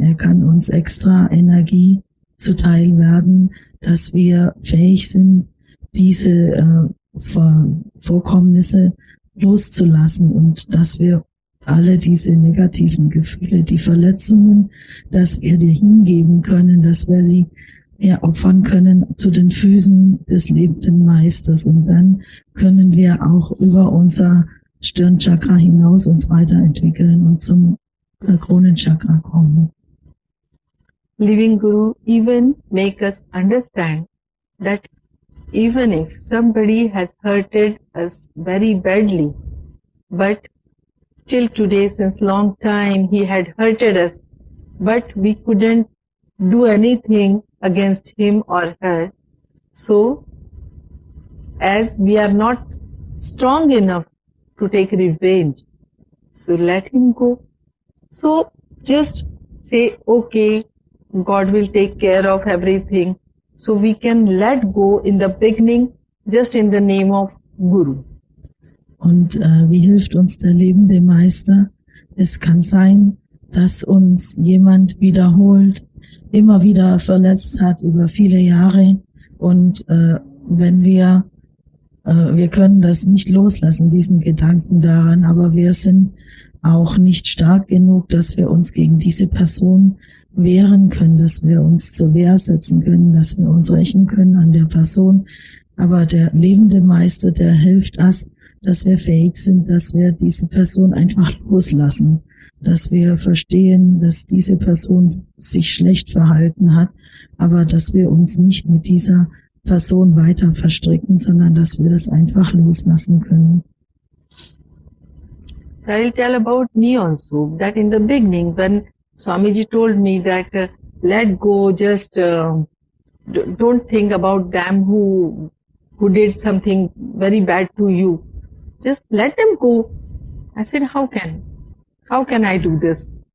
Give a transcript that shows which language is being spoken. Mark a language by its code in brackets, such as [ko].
[de] Er kann uns extra Energie zuteil werden, dass wir fähig sind, diese Vorkommnisse loszulassen und dass wir alle diese negativen Gefühle, die Verletzungen, dass wir dir hingeben können, dass wir sie ja, opfern können zu den Füßen des lebenden Meisters. Und dann können wir auch über unser Stirnchakra hinaus uns weiterentwickeln und zum Kronenchakra kommen. [en] Living Guru even make us understand that even if somebody has hurted us very badly, but till today since long time he had hurted us, but we couldn't do anything against him or her. So, as we are not strong enough to take revenge, so let him go. So, just say, okay, God will take care of everything. So, we can let go in the beginning, just in the name of Guru. [de] Und wie hilft uns der lebende Meister? Es kann sein, dass uns jemand wiederholt, immer wieder verletzt hat über viele Jahre und wenn wir können das nicht loslassen, diesen Gedanken daran, aber wir sind auch nicht stark genug, dass wir uns gegen diese Person wehren können, dass wir uns zur Wehr setzen können, dass wir uns rächen können an der Person, aber der lebende Meister, der hilft uns, dass wir fähig sind, dass wir diese Person einfach loslassen, dass wir verstehen, dass diese Person sich schlecht verhalten hat, aber dass wir uns nicht mit dieser Person weiter verstricken, sondern dass wir das einfach loslassen können. [en] So I'll tell about me also, that in the beginning, when Swamiji told me that, let go, just don't think about them who did something very bad to you. Just let them go. I said, how can I do this?